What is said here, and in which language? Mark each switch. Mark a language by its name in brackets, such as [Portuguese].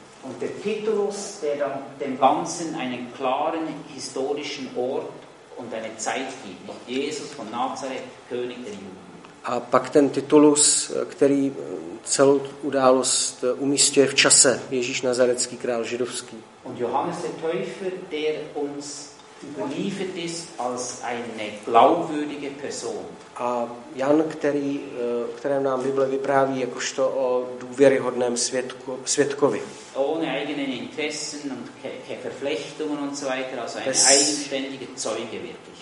[German] Und der Titulus, der dann dem Ganzen einen klaren historischen Ort und eine Zeit gibt. Jesus von Nazareth, König der Juden. [Czech] A pak ten titulus, který celou událost umístuje v čase, Ježíš Nazarecký, král židovský. [German] Und Johannes der Täufer, der uns überliefert ist als eine glaubwürdige Person. [Czech] A Jan, který, kterém nám Bible vypráví jakožto o důvěryhodném svědkovi. [German] Ohne eigenen Interessen und Verflechtungen und so weiter, also ein eigenständiger Zeuge wirklich.